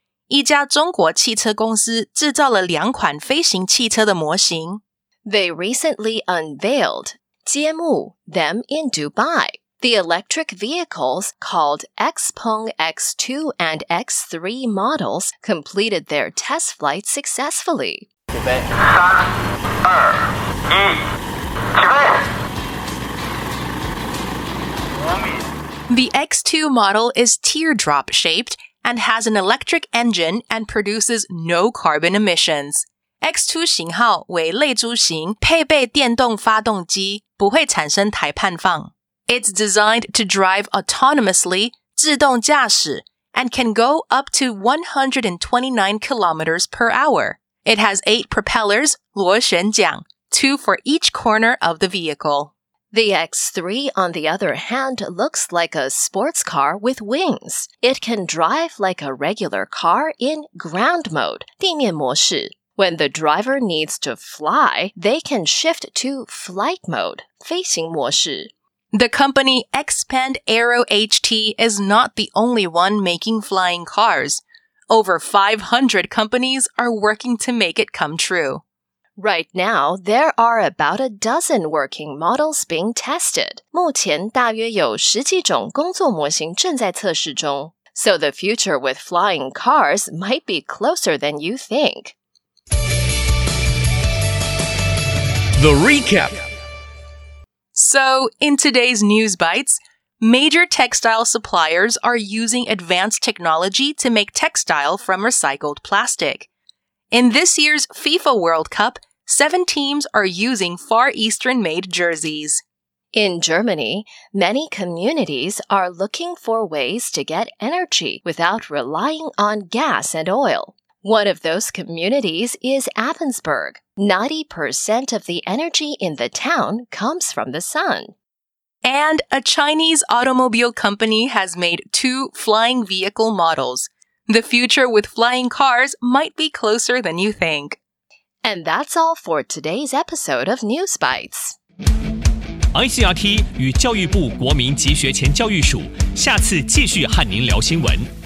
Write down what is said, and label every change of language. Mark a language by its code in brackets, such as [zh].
[zh] 一家中国汽车公司制造了两款飞行汽车的模型. [en] They recently unveiled. [zh] 节目 [en] Them in Dubai. The electric vehicles called XPeng X2 and X3 models completed their test flight successfully. 3, 2, 1, The X2 model is teardrop shaped and has an electric engine and produces no carbon emissions. [zh] X2 型号为类珠型，配备电动发动机，不会产生碳排放。 [en] It's designed to drive autonomously, [zh] 自动驾驶, [en] and can go up to 129 kilometers per hour. It has 8 propellers, [zh] 螺旋桨, [en] 2 for each corner of the vehicle. The X3, on the other hand, looks like a sports car with wings. It can drive like a regular car in ground mode, [zh] 地面模式。 [en] When the driver needs to fly, they can shift to flight mode, [zh] 飞行模式。 [en] The company Xpeng Aero HT is not the only one making flying cars. Over 500 companies are working to make it come true. Right now, there are about a dozen working models being tested. [zh] 目前大约有十几种工作模型正在测试中。 [en] So the future with flying cars might be closer than you think. The Recap. So, in today's News Bites, major textile suppliers are using advanced technology to make textile from recycled plastic. In this year's FIFA World Cup, 7 teams are using Far Eastern-made jerseys. In Germany, many communities are looking for ways to get energy without relying on gas and oil. One of those communities is Appenzell. 90% of the energy in the town comes from the sun. And a Chinese automobile company has made 2 flying vehicle models. The future with flying cars might be closer than you think. And that's all for today's episode of News Bites. [zh] ICRT 与教育部国民及学前教育署下次继续和您聊新闻。